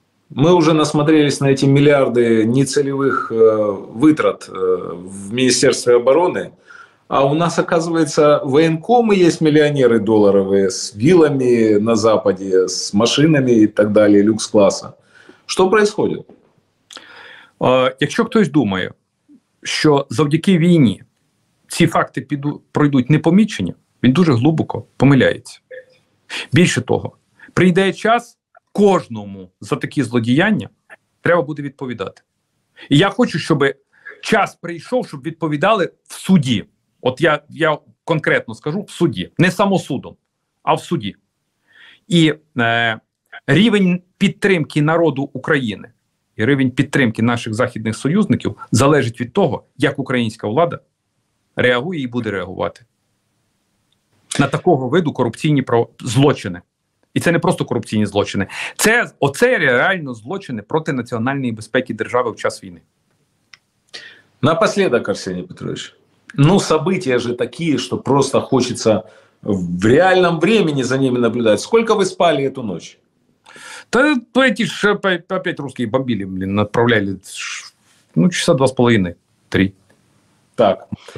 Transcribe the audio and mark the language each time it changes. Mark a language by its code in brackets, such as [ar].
[ru] Мы уже насмотрелись на эти миллиарды нецелевых вытрат в Министерстве обороны, а у нас, оказывается, военкомы есть миллионеры долларовые с виллами на Западе, с машинами и так далее, люкс-класса. Что происходит? [uk] Якщо хтось думає, що завдяки війні ці факти пройдуть непомічені, він дуже глибоко помиляється. Більше того, прийде час, кожному за такі злодіяння треба буде відповідати. І я хочу, щоб час прийшов, щоб відповідали в суді. От я конкретно скажу, в суді. Не самосудом, а в суді. І рівень підтримки народу України і рівень підтримки наших західних союзників залежить від того, як українська влада реагує і буде реагувати на такого виду корупційні злочини. І це не просто корупційні злочини. Оце реально злочини проти національної безпеки держави в час війни. [ru] Напоследок, Арсеній Петрович. Ну, события же такие, что просто хочется в реальном времени за ними наблюдать. Сколько вы спали эту ночь? Да эти же опять русские бомбили, блин, отправляли, ну, часа 2,5-3. Так.